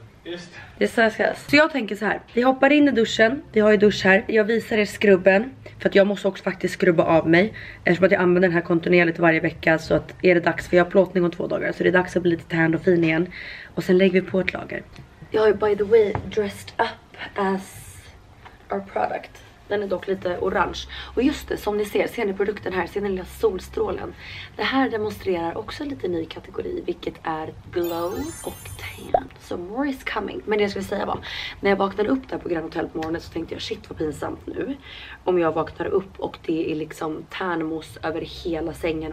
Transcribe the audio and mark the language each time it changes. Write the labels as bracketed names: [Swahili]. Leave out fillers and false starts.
[Swedish] Just det. Så jag tänker så här. Vi hoppar in i duschen. Vi har ju dusch här. Jag visar er skrubben. För att jag måste också faktiskt skrubba av mig. Eftersom att jag använder den här kontinuerligt varje vecka. Så att är det dags. För jag har plåtning om 2 dagar. Så det är dags att bli lite tänd och fin igen. Och sen lägger vi på ett lager. Jag har ju [English] by the way dressed up as our product. [Swedish] Den är dock lite orange. Och just det, som ni ser. Ser ni produkten här? Ser ni den lilla solstrålen? Det här demonstrerar också en lite ny kategori. Vilket är glow och tan. [English] So more is coming. [Swedish] Men det jag skulle säga var. När jag vaknade upp där på Grand Hotel på morgonen. Så tänkte jag, shit vad pinsamt nu. Om jag vaknar upp och det är liksom tärnmos över hela sängen.